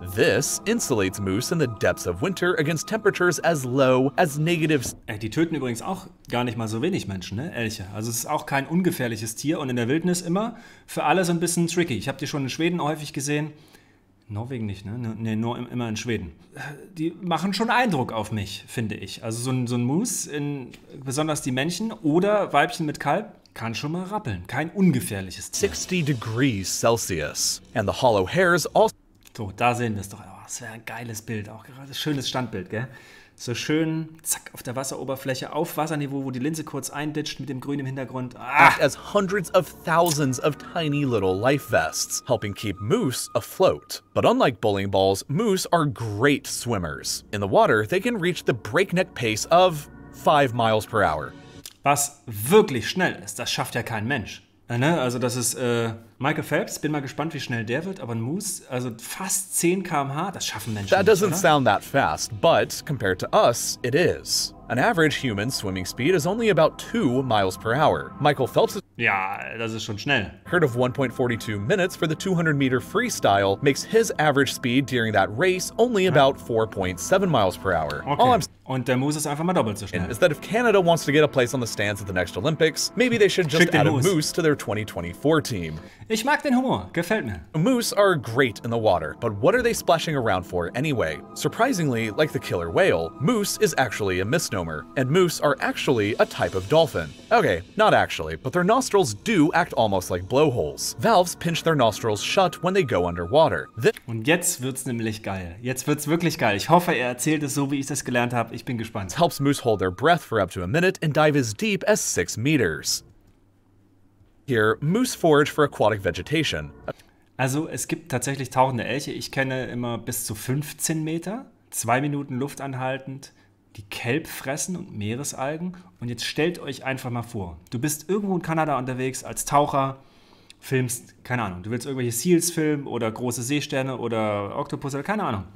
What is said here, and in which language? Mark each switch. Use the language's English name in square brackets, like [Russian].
[English] This insulates moose in the depths of winter against temperatures as low as negative. [German] Die töten übrigens auch gar nicht mal so wenig Menschen, ne? Elche. Also es ist auch kein ungefährliches Tier und in der Wildnis immer für alle so ein bisschen tricky. Ich habe die schon in Schweden häufig gesehen. Norwegen nicht, ne? Ne, nur immer in Schweden. Die machen schon Eindruck auf mich, finde ich. Also so ein Moose, in, besonders die Männchen oder Weibchen mit Kalb, kann schon mal rappeln. Kein ungefährliches Tier. [English] 60 degrees Celsius. And the hollow hairs also. [German] So, da sehen wir es doch. Oh, das wäre ein geiles Bild. Auch gerade schönes Standbild, gell? So schön, zack, auf der Wasseroberfläche, auf Wasserniveau, wo die Linse kurz einditscht mit dem Grün im Hintergrund. Ah! [English] As hundreds of thousands of tiny little life vests, helping keep moose afloat. But unlike bowling balls, moose are great swimmers. In the water, they can reach the breakneck pace of 5 miles per hour. [German] Was wirklich schnell ist, das schafft ja kein Mensch. Also das ist Michael Phelps, bin mal gespannt, wie schnell der wird, aber ein Moose, also fast 10 km/h, das schaffen Menschen nicht, oder? [English] That doesn't sound that fast, but compared to us, it is. An average human swimming speed is only about 2 miles per hour. Michael Phelps is... [German] Ja, das ist schon schnell. [English] ...heard of 1.42 minutes for the 200-meter freestyle makes his average speed during that race only about 4.7 miles per hour. [German] Okay. Und der Moose ist einfach mal doppelt so schnell. [English] ...is that if Canada wants to get a place on the stands at the next Olympics, maybe they should just add a Moose to their 2024 team. [German] Ich mag den Humor, gefällt mir. [English] Moose are great in the water, but what are they splashing around for anyway? Surprisingly, like the killer whale, Moose is actually a misnomer, and Moose are actually a type of dolphin. Okay, not actually, but their nostrils do act almost like blowholes. Valves pinch their nostrils shut when they go underwater. [German] Und jetzt wird's nämlich geil. Jetzt wird's wirklich geil. Ich hoffe, er erzählt es so, wie ich das gelernt habe. Ich bin gespannt. [English] Helps Moose hold their breath for up to a minute and dive as deep as 6 meters. Here, Moose forage for aquatic vegetation. [German] Also, es gibt tatsächlich tauchende Elche. Ich kenne immer bis zu 15 Meter, 2 Minuten Luft anhaltend, die Kelp fressen und Meeresalgen. Und jetzt stellt euch einfach mal vor, du bist irgendwo in Kanada unterwegs als Taucher, filmst, keine Ahnung, du willst irgendwelche Seals filmen oder große Seesterne oder Oktopus oder keine Ahnung.